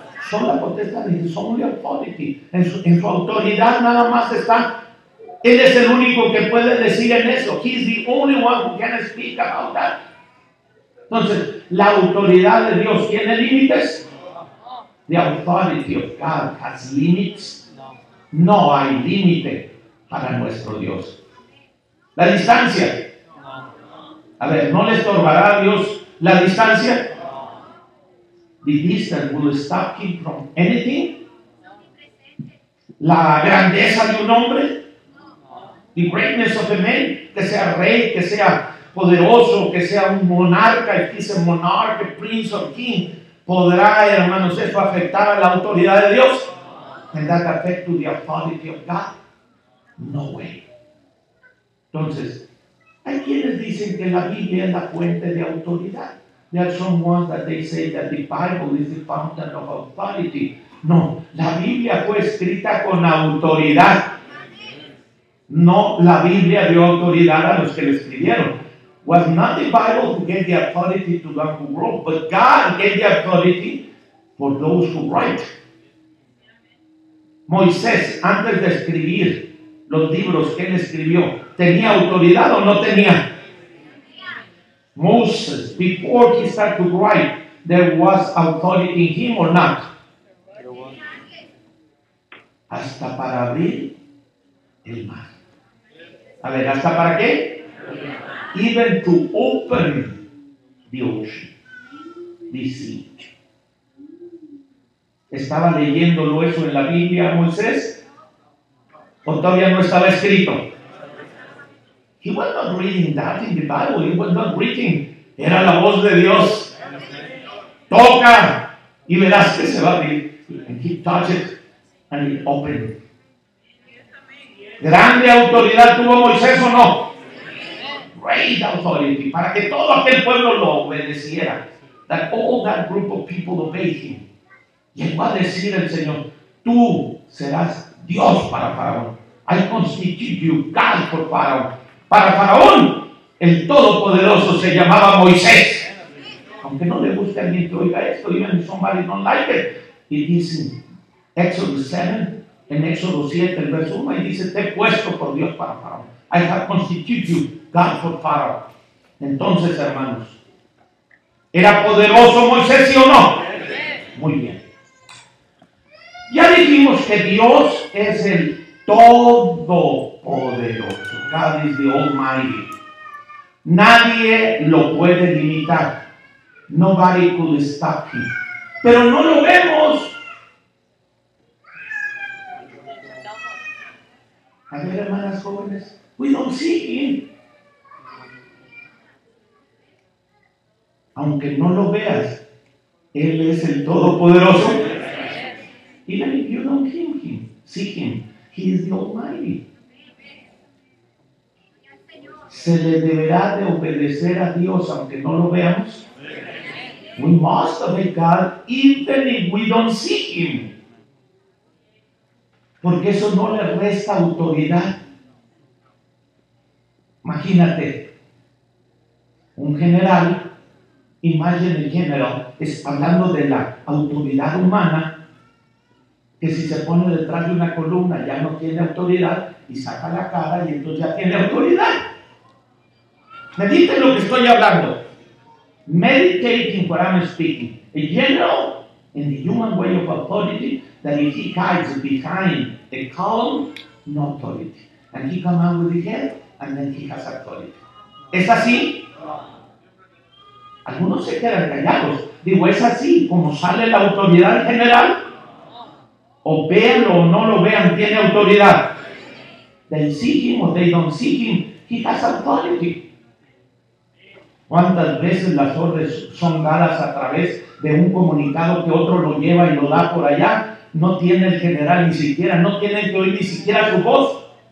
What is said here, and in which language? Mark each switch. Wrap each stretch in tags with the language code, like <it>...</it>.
<es>Sola potestad, en su</es> <en>only authority,</en> <es>en su autoridad nada más está. Él es el único que puede decir en eso.</es> <en>He is the only one who can speak about that.</en> <es>Entonces, la autoridad de Dios tiene límites.</es> <en>The authority of God has limits.</en> <es>No hay límite para nuestro Dios. La distancia. A ver, ¿no le estorbará a Dios la distancia?</es> <en>The distance will stop him from anything.</en> <es>La grandeza de un hombre.</es> <en>The greatness of a man.</en> <es>Que sea rey, que sea poderoso, que sea un monarca.</es> <en>If he's a monarch, a prince or king.</en> <es>¿Podrá, hermanos, esto afectar a la autoridad de Dios?</es> <en>Can that affect to the authority of God? No way.</en> <es>Entonces, hay quienes dicen que la Biblia es la fuente de autoridad.</es> <en>There are some ones that they say that the Bible is the fountain of authority.</en> <es>No, la Biblia fue escrita con autoridad. No, la Biblia dio autoridad a los que la escribieron.</es> <en>Was not the Bible who gave the authority to them who wrote, but God gave the authority for those who write.</en> <es>Moisés, antes de escribir los libros que él escribió, ¿tenía autoridad o no tenía?</es> <en>Moses, before he started to write, there was authority in him or not?</en> <es>Hasta para abrir el mar. A ver, ¿hasta para qué?</es> <en>Even to open the ocean, the sea.</en> <es>¿Estaba leyéndolo eso en la Biblia a Moisés? ¿O todavía no estaba escrito?</es> <en>He was not reading that in the Bible. He was not reading.</en> <es>Era la voz de Dios. Toca y verás que se va a abrir.</es> <en>And he touched it and it opened.</en> <es>¿Grande autoridad tuvo Moisés o no?</es> <en>Great authority.</en> <es>Para que todo aquel pueblo lo obedeciera.</es> <en>That all that group of people obeyed him.</en> <es>Llegó a decir el Señor, tú serás Dios para Faraón.</es> <en>I constitute you God for Pharaoh.</en> <es>Para Faraón, el Todopoderoso se llamaba Moisés. Aunque no le guste a alguien que oiga esto,</es> <en>even if somebody don't like it.</en> <es>Y dice, Exodus 7, en Éxodo 7, el verso 1, y dice, te he puesto por Dios para Faraón.</es> <en>I have constituted you God for Pharaoh.</en> <es>Entonces, hermanos, ¿era poderoso Moisés, sí o no? Muy bien. Ya dijimos que Dios es el Todopoderoso.</es> <en>God is the Almighty.</en> <es>Nadie lo puede limitar.</es> <en>Nobody could stop him.</en> <es>Pero no lo vemos. A ver, hermanas jóvenes,</es> <en>we don't see him.</en> <es>Aunque no lo veas, Él es el Todopoderoso.</es> <en>Even if you don't hear him, see him, he is the Almighty.</en> <es>¿Se le deberá de obedecer a Dios aunque no lo veamos?</es> <en>We must obey God even if we don't see him.</en> <es>Porque eso no le resta autoridad. Imagínate, un general,</es> <en>imagine a general,</en> <es>es hablando de la autoridad humana, que si se pone detrás de una columna ya no tiene autoridad y saca la cara y entonces ya tiene autoridad. Medite lo que estoy hablando.</es> <en>Meditating what I'm speaking. A general in the human way of authority that if he hides behind a column, no authority. And he come out with the head and then he has authority.</en> <es>¿Es así? Algunos se quedan callados. Digo, ¿es así como sale la autoridad general? O véanlo o no lo vean, tiene autoridad.</es> <en>They see him or they don't see him, he has authority.</en> <es>¿Cuántas veces las órdenes son dadas a través de un comunicado que otro lo lleva y lo da por allá? No tiene el general ni siquiera, no tiene que oír ni siquiera su voz.</es>